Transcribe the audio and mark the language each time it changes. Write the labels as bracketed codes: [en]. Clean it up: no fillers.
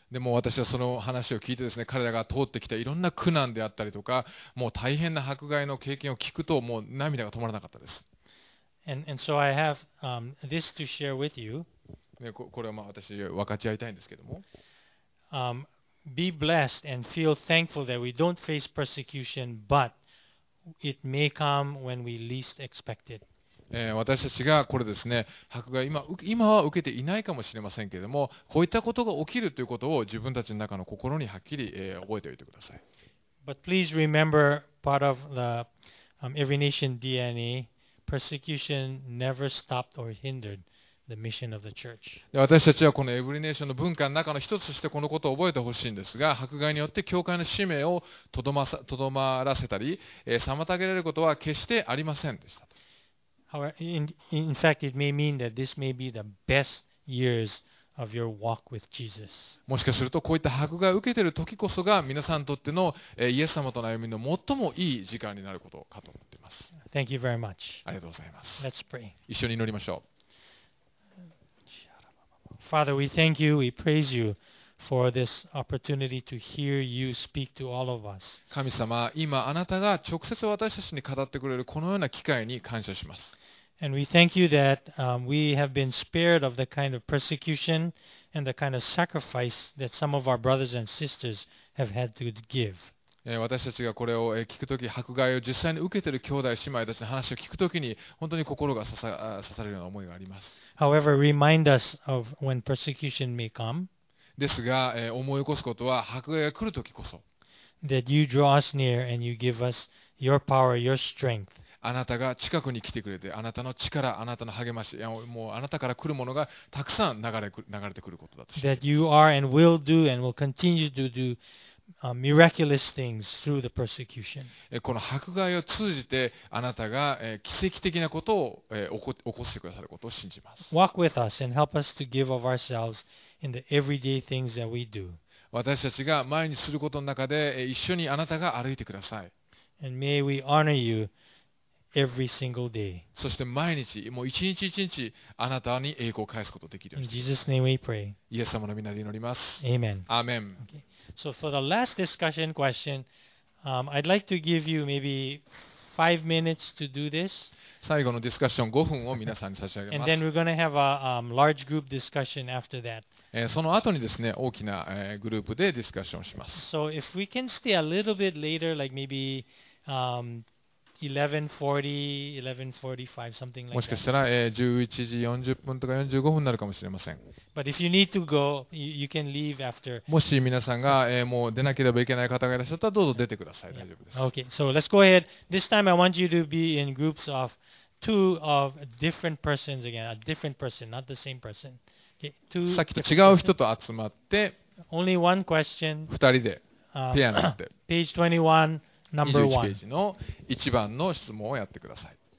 [ja] でも私はその話を聞いてですね、彼らが通ってきたいろんな苦難であったりとか、もう大変な迫害の経験を聞くと、もう涙が止まらなかったです。 [en] And so I have, this to share with you. [ja] ね、これはまあ私分かち合いたいんですけども。 [en] Be blessed and feel thankful that we don't face persecution, but it may come when we least expect it. [ja] 私たちがこれですね、迫害今は受けていないかもしれませんけれども、こういったことが起きるということを自分たちの中の心にはっきり、覚えておいてください。 [en] But please remember part of the every nation DNA, persecution never stopped or hindered. The mission of the church. [ja] 私たちはこのエブリネーションの文化の中の一つとしてこのことを覚えてほしいんですが、迫害によって教会の使命をとどまらせたり、妨げられることは決してありませんでした。 [en] In fact, it may mean that this may be the best years of your walk with Jesus. [ja] もしかするとこういった迫害を受けている時こそが皆さんにとってのイエス様との歩みの最もいい時間になることかと思っています。 [en] Thank you very much. [ja] ありがとうございます。 [en] Let's pray. [ja] 一緒に祈りましょう。 [en] Father, we thank you, we praise you for this opportunity to hear you speak to all of us. [ja] 神様、今あなたが直接私たちに語ってくれるこのような機会に感謝します。 [en] And we thank you that we have been spared of the kind of persecution and the kind of sacrifice that some of our brothers and sisters have had to give. [ja] 私たちがこれを聞くとき、迫害を実際に受けている兄弟姉妹たちの話を聞くときに、本当に心が刺されるような思いがあります。 [en] However, remind us of when persecution may come. [ja] ですが、思い起こすことは、迫害が来るときこそ。 [en] That you draw us near and you give us your power, your strength. [ja] あなたが近くに来てくれて、あなたの力、あなたの励まし、もうあなたから来るものがたくさん流れてくることだと。 [en] That you are and will do and will continue to do. Miraculous things through the persecution. [ja] この迫害を通じてあなたが奇跡的なことを起こしてくださることを信じます。 [en] Walk with us and help us to give of ourselves in the everyday things that we do. [ja] 私たちが毎日することの中で一緒にあなたが歩いてください。 [en] And may we honor you every single day. [ja] そして毎日、もう一日一日あなたに栄光を返すことができるように。 [en] In Jesus' name we pray. [ja] イエス様の名で祈ります。 [en] Amen. Amen. Okay. So for the last discussion question, I'd like to give you maybe 5 minutes to do this. [ja] 最後のディスカッション5分を皆さんに差し上げます。 [en] And then we're going to have a large group discussion after that. [ja] その後にですね、大きなグループでディスカッションします。 [en] So if we can stay a little bit later, like maybe 11:40, 11:45, something like that. [ja] もしかしたら、11時40分とか45分になるかもしれません。 [en] But if you need to go, you can leave after. [ja] もし皆さんが、もう出なければいけない方がいらっしゃったらどうぞ出てください。大丈夫です。 [en] Okay, so let's go ahead. This time I want you to be in groups of two of different persons again. A different person, not the same person. Okay, two. [ja] さっきと違う人と集まって。 [en] Only one question. [ja] 二人で。ペアになって。 [en] Page 21. 21 [ja] ページの一番の質問をやってください。